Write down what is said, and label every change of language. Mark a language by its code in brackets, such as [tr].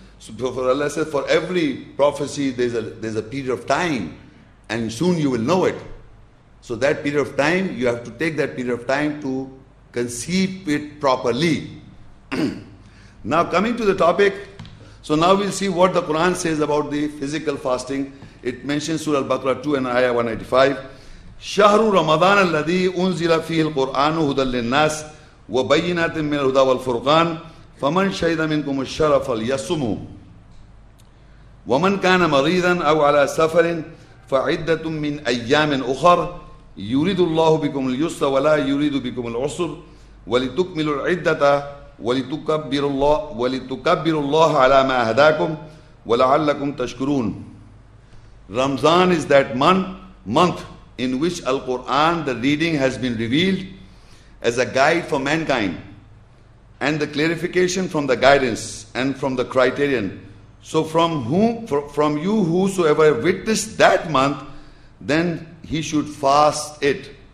[en] So for Allah said, for every prophecy, there's a period of time, and soon you will know it. So that period of time, you have to take that period of time to conceive it properly. Now coming to the topic, so now we'll see what the Quran says about the physical fasting. It mentions Surah Al-Baqarah 2 and Ayah 185. [ar] شهر رمضان الذي أنزل فيه القرآن هدى للناس وبينات من الهدى والفرقان فمن شهد منكم الشهر فليصمه ومن كان مريضا أو على سفر فعدة من أيام أخر يريد الله بكم اليسر ولا يريد بكم العسر ولتكملوا العدة ولتكبروا الله على ما هداكم ولعلكم تشكرون. [en] Ramadan is that month in which Al-Quran, the reading, has been revealed as a guide for mankind and the clarification from the guidance and from the criterion. So from you whosoever witnessed that month, then he should fast it.